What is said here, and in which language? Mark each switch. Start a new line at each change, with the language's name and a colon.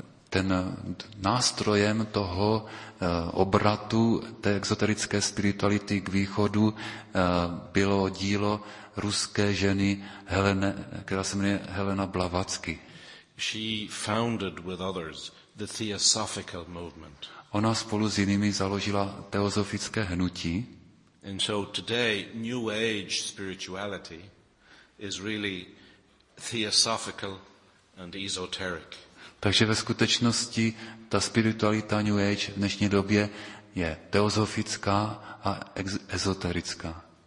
Czech: Ten nástrojem toho obratu té exoterické spirituality k východu bylo dílo ruské ženy Helene, která se jmenuje Helena Blavatsky.
English: She founded with others the theosophical movement.
Czech: Ona spolu s jinými založila teozofické hnutí.
English: And so today new age spirituality is really theosophical and esoteric.
Czech: Takže ve skutečnosti ta spiritualita New Age v dnešní době je teozofická a ezoterická.